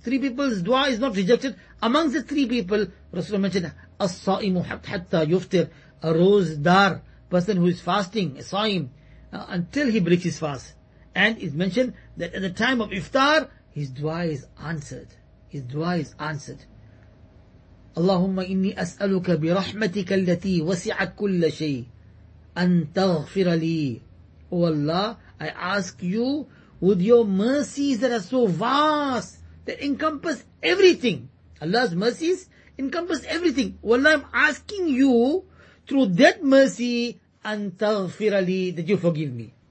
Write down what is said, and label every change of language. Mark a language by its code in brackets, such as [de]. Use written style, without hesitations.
[en] Three people's dua is not rejected. Among the three people, Rasulullah mentioned, [ar] الصَّائِمُ حَتَّى يُفْتِرْ. [en] A rozdar, person who is fasting, a saim, until he breaks his fast. And it's mentioned that at the time of iftar, his dua is answered. His dua is answered. [ar] اللهم إني أسألك برحمتك التي وسعت كل شيء أن تغفر لي. [en] Oh Allah, I ask you with your mercies that are so vast, that encompass everything. Allah's mercies encompass everything. Oh Allah, I'm asking you through that mercy, [ar] أن تغفر لي, [en] that you forgive me.